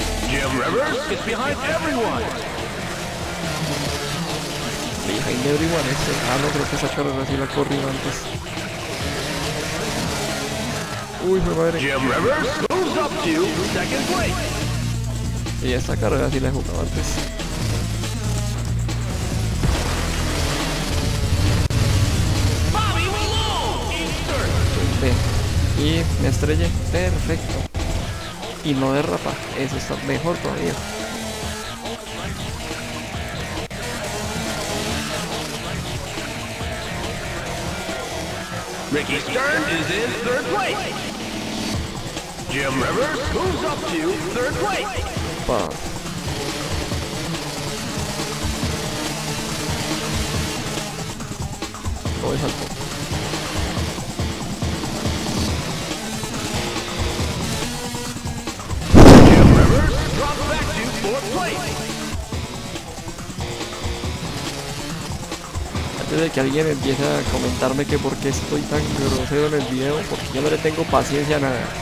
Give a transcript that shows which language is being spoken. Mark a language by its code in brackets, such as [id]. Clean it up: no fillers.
[en] Jim Rivers is behind everyone. Behind everyone ese. [es] Ah, no, creo que esa carrera sí la corrió antes. Uy, mi madre. [en] Jim Rivers moves up to second place. [es] Y esta carrera sí la he jugado antes. [en] Bobby Malone. [es] Y me estrellé. Perfecto. Y no derrapa. Eso está mejor todavía. [en] Ricky Stern is in third place. Jim Rivers moves up to third place. Bob. [es] Voy salto. [en] Jim Rivers drops back to fourth place. [es] De que alguien empiece a comentarme que por qué estoy tan grosero en el video, porque yo no le tengo paciencia a nada.